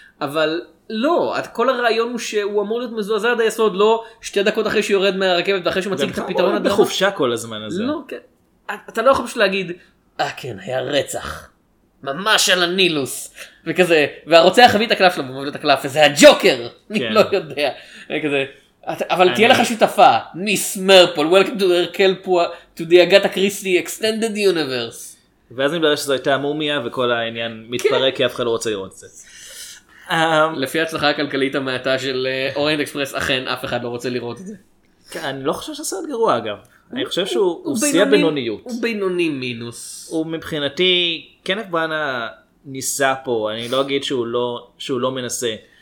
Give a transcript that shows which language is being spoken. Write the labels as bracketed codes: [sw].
[he] אבל לא, כל הרעיון הוא שהוא אמור להיות מזועזע עד היסוד, לא שתי דקות אחרי שהוא יורד מהרכבת, ואחרי שהוא מציג את הפתרון הדרמטי. בחופשה כל הזמן הזה. לא, כן. אתה לא יכול פשוט להגיד, אה כן, היה רצח. ממש על הנילוס. וכזה, והרוצח הביא את הקלף שלו, ומביא את הקלף, וזה הג'וקר. אני לא יודע. וכזה, אבל תהיה לך שותפה. [en] מיס מרפול, welcome to הרקל פועה, to the Agatha Christie extended universe. [he] ואז נדבר שזו הייתה המומיה, וכל העניין מתפרק, כי אף אחד לא רוצה לראות את זה. לפי ההצלחה הכלכלית המעטה של אוריינט אקספרס, אכן אף אחד לא רוצה לראות את זה. אני לא חושב שסרט גרוע אגב. אני חושב שהוא שיא הבינוניות. הוא בינוני מינוס. הוא מבחינתי, קנף בנה ניסה פה, אני לא אגיד שהוא לא מנסה.